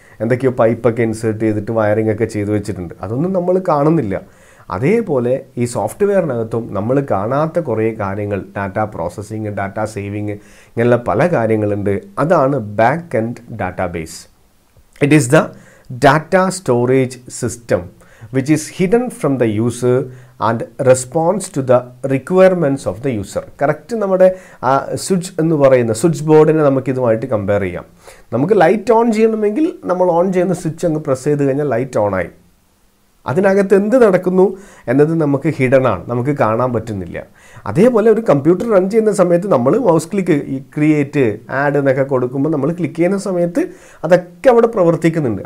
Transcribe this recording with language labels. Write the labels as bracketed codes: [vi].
[ml] എന്തൊക്കെയോ പൈപ്പൊക്കെ ഇൻസേർട്ട് ചെയ്തിട്ട് വയറിംഗ് ഒക്കെ ചെയ്തു വെച്ചിട്ടുണ്ട്. അതൊന്നും നമ്മൾ കാണുന്നില്ല. അതേപോലെ ഈ സോഫ്റ്റ്വെയറിനകത്തും നമ്മൾ കാണാത്ത കുറേ കാര്യങ്ങൾ, ഡാറ്റ പ്രോസസ്സിങ്, ഡാറ്റ സേവിങ്, ഇങ്ങനെയുള്ള പല കാര്യങ്ങളുണ്ട്. അതാണ് back end database. [en] It is the data storage system. which is hidden from the user and responds to the requirements of the user. Correct? [ml] നമ്മുടെ ആ സ്വിച്ച് എന്ന് പറയുന്ന സ്വിച്ച് ബോർഡിനെ നമുക്ക് ഇതുമായിട്ട് കമ്പയർ ചെയ്യാം. നമുക്ക് ലൈറ്റ് ഓൺ ചെയ്യണമെങ്കിൽ നമ്മൾ ഓൺ ചെയ്യുന്ന സ്വിച്ച് അങ്ങ് പ്രസ് ചെയ്ത് കഴിഞ്ഞാൽ ലൈറ്റ് ഓൺ ആയി. അതിനകത്ത് എന്ത് നടക്കുന്നു എന്നത് നമുക്ക് ഹിഡൺ ആണ്, നമുക്ക് കാണാൻ പറ്റുന്നില്ല. അതേപോലെ ഒരു കമ്പ്യൂട്ടർ റൺ ചെയ്യുന്ന സമയത്ത് നമ്മൾ മൗസ് ക്ലിക്ക്, ഈ ക്രിയേറ്റ്, ആഡ് എന്നൊക്കെ കൊടുക്കുമ്പോൾ നമ്മൾ ക്ലിക്ക് ചെയ്യുന്ന സമയത്ത് അതൊക്കെ അവിടെ പ്രവർത്തിക്കുന്നുണ്ട്.